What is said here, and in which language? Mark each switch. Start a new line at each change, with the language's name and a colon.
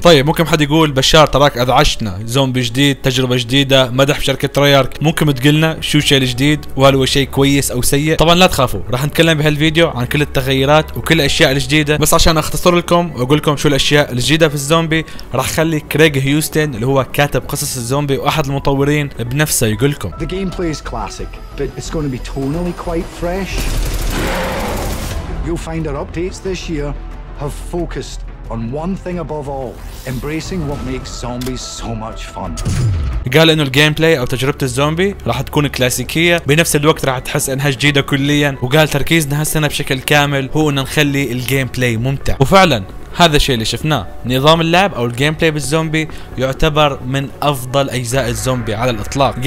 Arabic: طيب ممكن حد يقول بشار تراك اذعشنا، زومبي جديد، تجربه جديده، مدح بشركه تريارك، ممكن تقلنا شو الشيء الجديد وهل هو شيء كويس او سيء؟ طبعا لا تخاف، راح نتكلم بهالفيديو عن كل التغييرات وكل الاشياء الجديده، بس عشان اختصر لكم واقول لكم شو الاشياء الجديده في الزومبي راح خلي كريغ هيوستن اللي هو كاتب قصص الزومبي واحد المطورين بنفسه يقول لكم.
English: The gameplay is classic, but it's going to be tonally quite fresh. You'll find our updates this year have focused on one thing above all, embracing what makes zombies so much fun.
Arabic: قال انه الجيم بلاي او تجربه الزومبي راح تكون كلاسيكيه، بنفس الوقت راح تحس انها جديده كليا، وقال تركيزنا هالسنه بشكل كامل هو ان نخلي الجيم بلاي ممتع. وفعلا هذا الشيء اللي شفناه، نظام اللعب او الجيم بلاي بالزومبي يعتبر من افضل اجزاء الزومبي على الاطلاق.